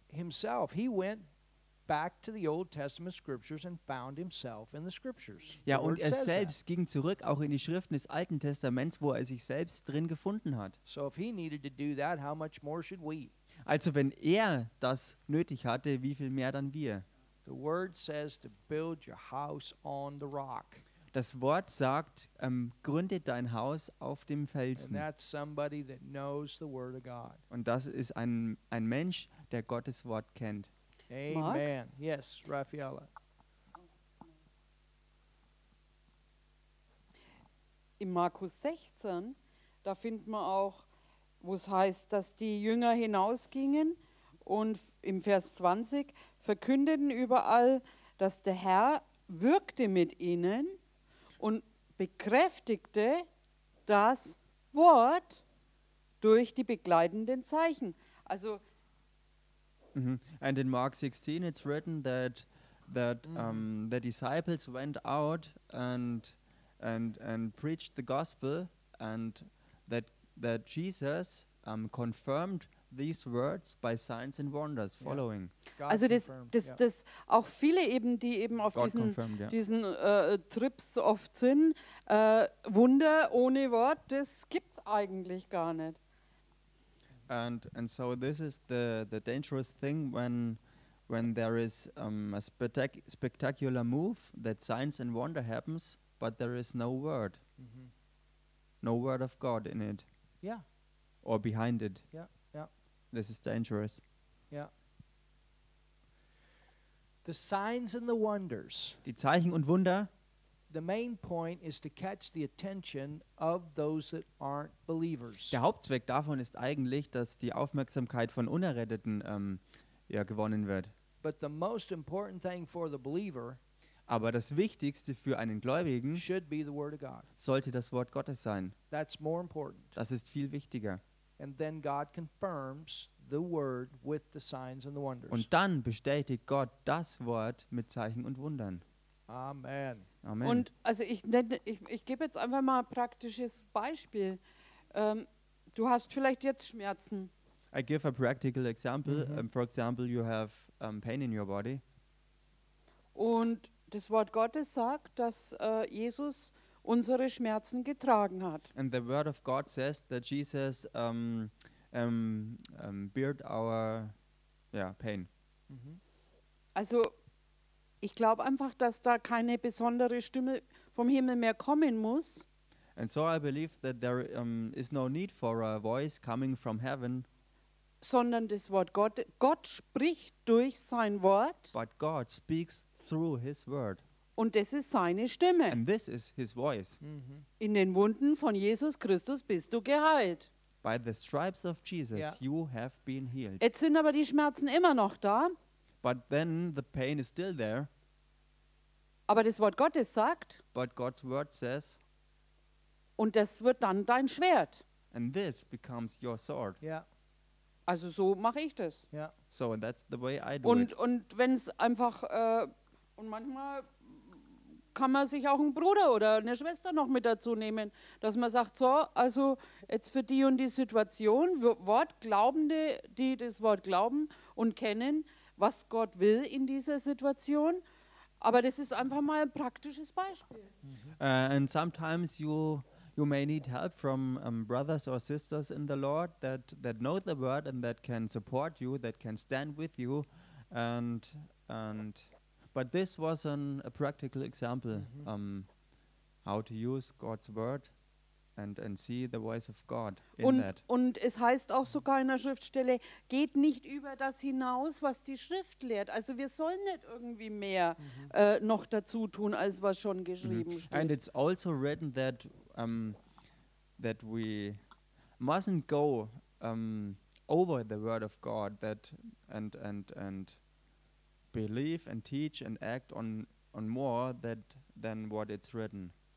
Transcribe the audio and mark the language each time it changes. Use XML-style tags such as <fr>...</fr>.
<en>himself, he went back to the Old Testament scriptures and found himself in the scriptures.</en> <de>Ja, und er selbst ging zurück auch in die Schriften des Alten Testaments, wo er sich selbst drin gefunden hat.</de> <en>So if he needed to do that, how much more should we?</en> <de>Also wenn er das nötig hatte, wie viel mehr dann wir?</de> <en>The word says to build your house on the rock.</en> <de>Das Wort sagt, gründe dein Haus auf dem Felsen.</de> <en>And that's somebody that knows the word of God.</en> <de>Und das ist ein Mensch, der Gottes Wort kennt.</de> <en>Amen. Mark? Yes, Rafaela.</en> <de>In Markus 16, da findet man auch, wo es heißt, dass die Jünger hinausgingen und im Vers 20 verkündeten überall, dass der Herr wirkte mit ihnen und bekräftigte das Wort durch die begleitenden Zeichen. Also,</de> <en>And in Mark 16 it's written that the disciples went out and preached the gospel and that Jesus confirmed these words by signs and wonders following. Yeah.</en> <de>Also das auch viele eben, die eben auf diesen Trips oft sind, Wunder ohne Wort, das gibt's eigentlich gar nicht.</de> <en>And so this is the dangerous thing when there is a spectacular move that signs and wonder happens, but there is no word. Mm-hmm. No word of God in it. Yeah. Or behind it. Yeah, yeah. This is dangerous. Yeah. The signs and the wonders.</en> <de>Die Zeichen und Wunder.</de> <en>The main point is to catch the attention of those that aren't believers.</en> <de>Der Hauptzweck davon ist eigentlich, dass die Aufmerksamkeit von Unerretteten gewonnen wird.</de> <en>But the most important thing for the believer,</en> <de>aber das Wichtigste für einen Gläubigen,</de> <en>should be the word of God.</en> <de>Sollte das Wort Gottes sein.</de> <en>That's more important.</en> <de>Das ist viel wichtiger.</de> <en>And then God confirms the word with the signs and the wonders.</en> <de>Und dann bestätigt Gott das Wort mit Zeichen und Wundern.</de> <en>Amen. Amen.</en> <de>Und also ich gebe jetzt einfach mal ein praktisches Beispiel. Du hast vielleicht jetzt Schmerzen.</de> <en>I give a practical example. Mm-hmm. For example, you have pain in your body.</en> <de>Und das Wort Gottes sagt, dass Jesus unsere Schmerzen getragen hat.</de> <en>And the word of God says that Jesus bore our pain. Mm-hmm.</en> <de>Also ich glaube einfach, dass da keine besondere Stimme vom Himmel mehr kommen muss.</de> <en>And so I believe that there is no need for a voice coming from heaven.</en> <de>Sondern das Wort Gott spricht durch sein Wort.</de> <en>But God speaks through his word.</en> <de>Und das ist seine Stimme.</de> <en>And this is his voice. Mm-hmm.</en> <de>In den Wunden von Jesus Christus bist du geheilt.</de> <en>By the stripes of Jesus you have been healed.</en> <de>Jetzt sind aber die Schmerzen immer noch da.</de> <en>But then the pain is still there.</en> <de>Aber das Wort Gottes sagt.</de> <en>But God's word says.</en> <de>Und das wird dann dein Schwert.</de> <en>And this becomes your sword. Yeah.</en> <de>Also so mache ich das.</de> <en>Yeah. So and that's the way I do</en> <de>und,</de> <en>it.</en> <de>Und wenn es einfach und manchmal kann man sich auch einen Bruder oder eine Schwester noch mit dazu nehmen, dass man sagt so, also jetzt für die und die Situation, Wortglaubende, die das Wort glauben und kennen, was Gott will in dieser Situation, aber das ist einfach mal ein praktisches Beispiel.</de> <en>And sometimes you may need help from brothers or sisters in the Lord that know the word and that can support you, that can stand with you, and but this was a practical example how to use God's word and see the voice of God in that.</en> <de>Und es heißt auch sogar in der Schriftstelle, geht nicht über das hinaus, was die Schrift lehrt. Also wir sollen nicht irgendwie mehr noch dazu tun, als was schon geschrieben steht.</de> <en>And it's also written that that we mustn't go over the word of God that and believe and teach and act on more that than what it's written.</en>